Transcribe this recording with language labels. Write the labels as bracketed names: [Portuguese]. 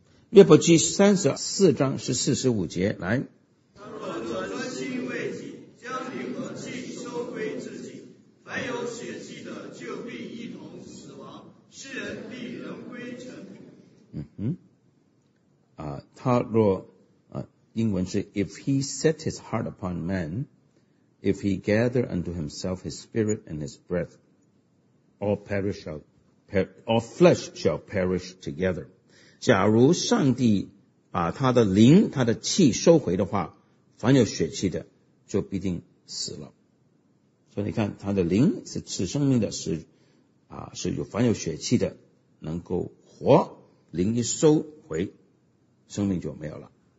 [Chinese] 约伯记34章14-15节来，倘若转专心为己，将灵和气收归自己，凡有血气的就必一同死亡，世人必人归尘土。他若英文是 [English] If he set his heart upon man,If he gather unto himself his spirit and his breath, all flesh shall perish together. [Chinese] 假如上帝把他的灵、他的气收回的话，凡有血气的就必定死了。所以你看，他的灵是赐生命的，是有凡有血气的能够活，灵一收回，生命就没有了。